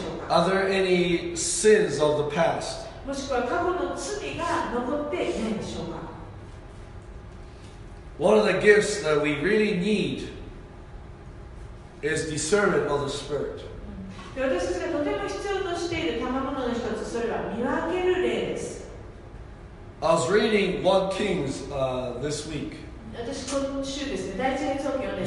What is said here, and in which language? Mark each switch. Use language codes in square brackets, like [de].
[en] Are there any sins of the past? [ja] もしくは過去の罪が残っていないでしょうか? [en] One of the gifts that we really need is discernment of the Spirit. [ja] 私たちがとても必要としている賜物の一つ、それは見分ける霊です。 [en] I was reading 1 Kings this week. [ja] 私今週ですね、第一列を読んでい